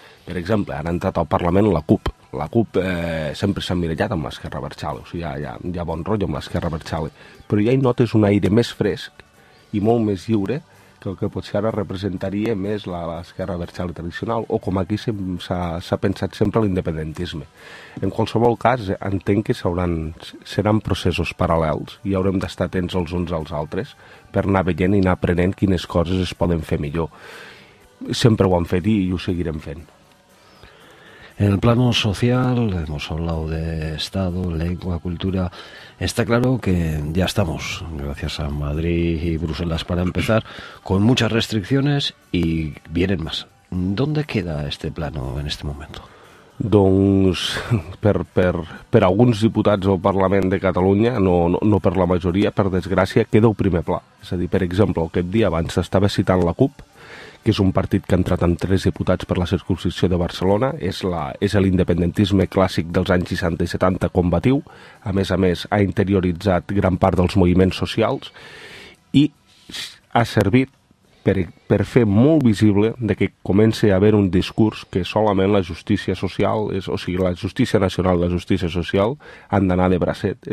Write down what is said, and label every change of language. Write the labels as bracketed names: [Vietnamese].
[Catalan] Per exemple, han entrat al Parlament la CUP. La CUP sempre s'ha mirallat amb l'Esquerra Berchale, o sigui, hi ha bon rotllo amb l'Esquerra Berchale, però ja hi notes un aire més fresc i molt més lliure que el que potser ara representaria més l'Esquerra Berchale tradicional, o com aquí s'ha pensat sempre l'independentisme. En qualsevol cas, entenc que seran processos paral·lels i haurem d'estar atents els uns als altres per anar veient i anar aprenent quines coses es poden fer millor. Sempre ho han fet i ho seguirem fent. [Spanish] En el plano social, hemos hablado de Estado, lengua, cultura. Está claro que ya estamos, gracias a Madrid y Bruselas para empezar, con muchas restricciones y vienen más. ¿Dónde queda este plano en este momento? [Catalan] Doncs per alguns diputats del Parlament de Catalunya, no per la majoria, per desgràcia, queda el primer pla. És a dir, per exemple, aquest dia abans estava citant la CUP, que és un partit que ha entrat amb 3 diputats per la circumscripció de Barcelona, és l'independentisme clàssic dels anys 60 i 70 combatiu, a més ha interioritzat gran part dels moviments socials i ha servit per fer molt visible de que comença a haver un discurs que solament la justícia social, la justícia nacional i la justícia social han d'anar de bracet.